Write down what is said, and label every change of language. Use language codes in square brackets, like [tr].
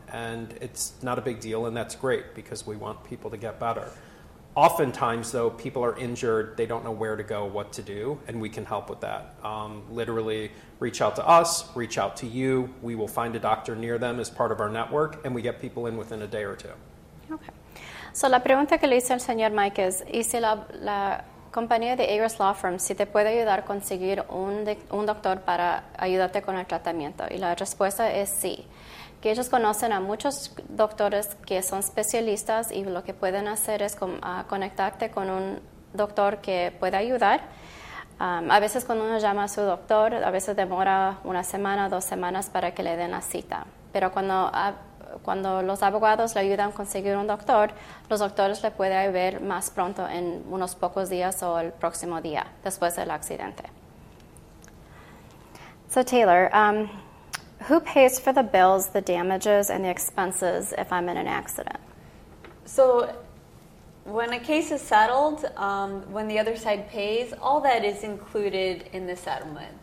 [en] And it's not a big deal, and that's great, because we want people to get better. Oftentimes, though, people are injured, they don't know where to go, what to do, and we can help with that. Literally, reach out to us, reach out to you, we will find a doctor near them as part of our network, and we get people in within a day or two. Okay. [es] So la pregunta que le hice al señor Mike es, ¿y si la compañía de Agruss Law Firm, si te puede ayudar a conseguir un doctor para ayudarte con el tratamiento? Y la respuesta es sí. Que ellos conocen a muchos doctores que son especialistas y lo que pueden hacer es conectarte con un doctor que pueda ayudar. A veces cuando uno llama a su doctor, a veces demora una semana, 2 semanas para que le den la cita. Pero cuando los abogados le ayudan a conseguir un doctor, los doctores le pueden ver más pronto, en unos pocos días o el próximo día después del accidente. [en] So Taylor, who pays for the bills, the damages, and the expenses if I'm in an accident? So when a case is settled, when the other side pays, all that is included in the settlement.